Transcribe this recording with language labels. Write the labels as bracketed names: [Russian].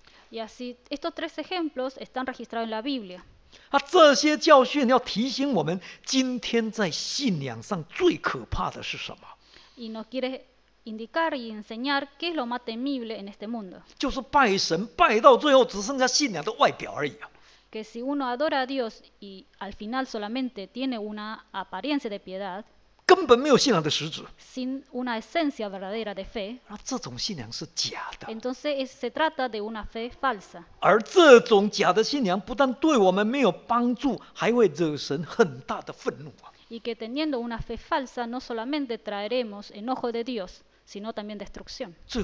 [Spanish] Y así, estos tres ejemplos están registrados en la Biblia. [Chinese] 这些教训要提醒我们今天在信仰上最可怕的是什么? [Spanish] Y nos quiere indicar y enseñar qué es lo más temible en este mundo. [Chinese] 就是拜神,拜到最后只剩下信仰的外表而已。 [Spanish] Que si uno adora a Dios y al final solamente tiene una apariencia de piedad, [Chinese] 根本没有信仰的实质, [Spanish] sin una esencia verdadera de fe, [Chinese] 这种信仰是假的。 [Spanish] Entonces se trata de una fe falsa. [Chinese] 而这种假的信仰不但对我们没有帮助, 还会惹神很大的愤怒。 [Spanish] Y que teniendo una fe falsa, no solamente traeremos enojo de Dios, sino también destrucción.